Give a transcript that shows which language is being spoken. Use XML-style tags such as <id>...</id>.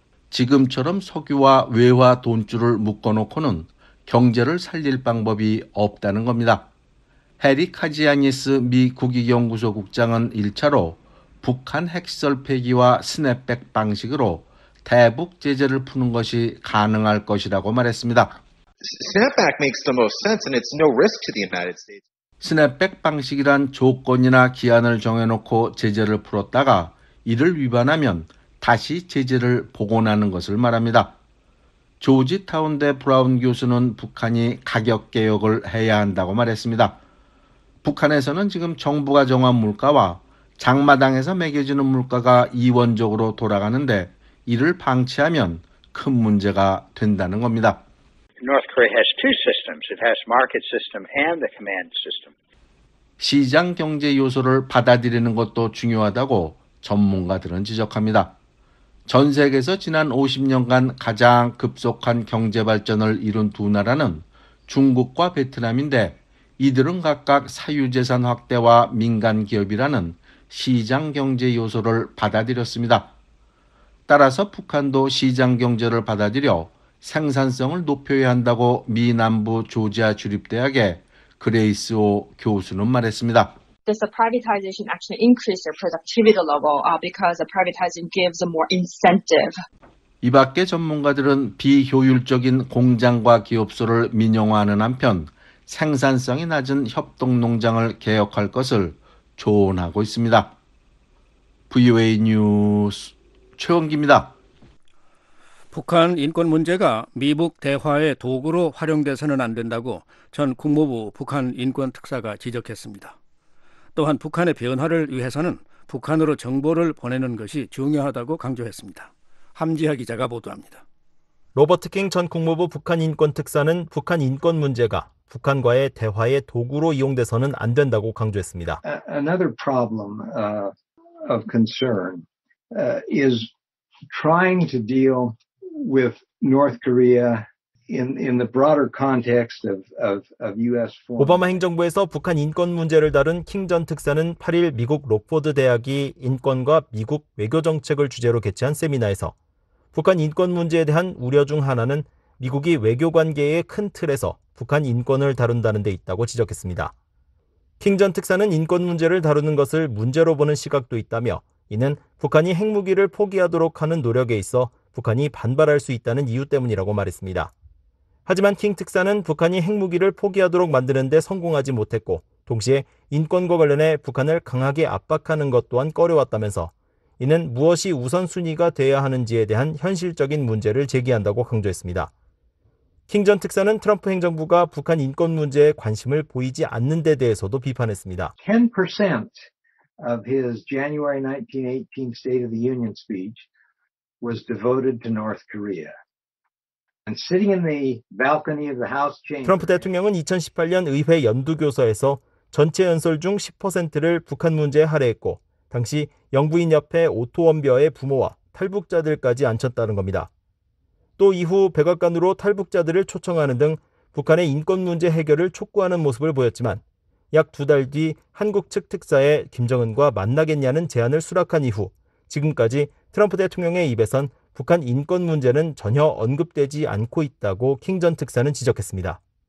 <ko>지금처럼 석유와 외화 돈줄을 묶어놓고는 경제를 살릴 방법이 없다는 겁니다. 해리 카지아니스 미 국익연구소 국장은 1차로 북한 핵시설 폐기와 스냅백 방식으로 대북 제재를 푸는 것이 가능할 것이라고 말했습니다.</ko> <en>Snapback makes the most sense and it's no risk to the United States.</en> <ko>스냅백 방식이란 조건이나 기한을 정해놓고 제재를 풀었다가 이를 위반하면 다시 제재를 복원하는 것을 말합니다. 조지타운대 브라운 교수는 북한이 가격 개혁을 해야 한다고 말했습니다. 북한에서는 지금 정부가 정한 물가와 장마당에서 매겨지는 물가가 이원적으로 돌아가는데 이를 방치하면 큰 문제가 된다는 겁니다.</ko> <en>North Korea has two systems. It has market system and the command system.</en> <ko>시장 경제 요소를 받아들이는 것도 중요하다고 전문가들은 지적합니다. 전 세계에서 지난 50년간 가장 급속한 경제 발전을 이룬 두 나라는 중국과 베트남인데 이들은 각각 사유재산 확대와 민간 기업이라는 시장 경제 요소를 받아들였습니다. 따라서 북한도 시장 경제를 받아들여 생산성을 높여야 한다고 미 남부 조지아 주립대학의 그레이스 오 교수는 말했습니다.</ko> <en>This privatization actually increases productivity level because the privatization gives more incentive.</en> <ko>이 밖에 전문가들은 비효율적인 공장과 기업소를 민영화하는 한편 생산성이 낮은 협동농장을 개혁할 것을 조언하고 있습니다. VOA 뉴스 최원기입니다. 북한 인권 문제가 미북 대화의 도구로 활용돼서는 안 된다고 전 국무부 북한 인권특사가 지적했습니다. 또한 북한의 변화를 위해서는 북한으로 정보를 보내는 것이 중요하다고 강조했습니다. 함지하 기자가 보도합니다. 로버트 킹 전 국무부 북한 인권특사는 북한 인권 문제가 북한과의 대화의 도구로 이용돼서는 안 된다고 강조했습니다.</ko> <en>Another problem of concern is trying to deal with North Korea in the broader context of U.S.</en> <ko>오바마 행정부에서 북한 인권 문제를 다룬 킹 전 특사는 8일 미국 록포드 대학이 인권과 미국 외교 정책을 주제로 개최한 세미나에서 북한 인권 문제에 대한 우려 중 하나는 미국이 외교 관계의 큰 틀에서 북한 인권을 다룬다는 데 있다고 지적했습니다. 킹 전 특사는 인권 문제를 다루는 것을 문제로 보는 시각도 있다며 이는 북한이 핵무기를 포기하도록 하는 노력에 있어 북한이 반발할 수 있다는 이유 때문이라고 말했습니다. 하지만 킹 특사는 북한이 핵무기를 포기하도록 만드는 데 성공하지 못했고 동시에 인권과 관련해 북한을 강하게 압박하는 것 또한 꺼려왔다면서 이는 무엇이 우선순위가 돼야 하는지에 대한 현실적인 문제를 제기한다고 강조했습니다. 킹 전 특사는 트럼프 행정부가 북한 인권 문제에 관심을 보이지 않는 데 대해서도 비판했습니다.</ko> <en>10% of his January 1918 State of the Union speech was devoted to North Korea. And sitting in the balcony of the House chamber.</en> <ko>트럼프 대통령은 2018년 의회 연두교서에서 전체 연설 중 10%를 북한 문제에 할애했고 당시 영부인 옆에 오토 원벼의 부모와 탈북자들까지 앉혔다는 겁니다. 또 이후 백악관으로 탈북자들을 초청하는 등 북한의 인권 문제 해결을 촉구하는 모습을 보였지만 약 두 달 뒤 한국 측 특사에 김정은과 만나겠냐는 제안을 수락한 이후 지금까지 트럼프 대통령의 입에선 북한 인권 문제는 전혀 언급되지 않고 있다고 킹 전 특사는 지적했습니다.</ko>